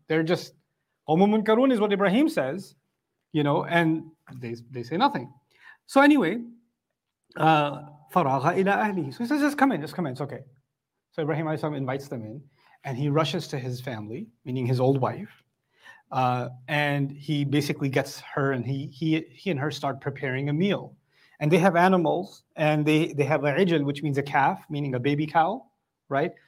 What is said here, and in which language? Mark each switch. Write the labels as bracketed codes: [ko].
[en] They're just, Qawmun munkarun is what Ibrahim says, and they say nothing. So anyway, [ar] فَرَاغَ إِلَىٰ أَهْلِهِ. [en] So he says, just come in, it's okay. So Ibrahim invites them in, and he rushes to his family, meaning his old wife. And he basically gets her, and he and her start preparing a meal. And they have animals, and they have a ijl, which means a calf, meaning a baby cow, right?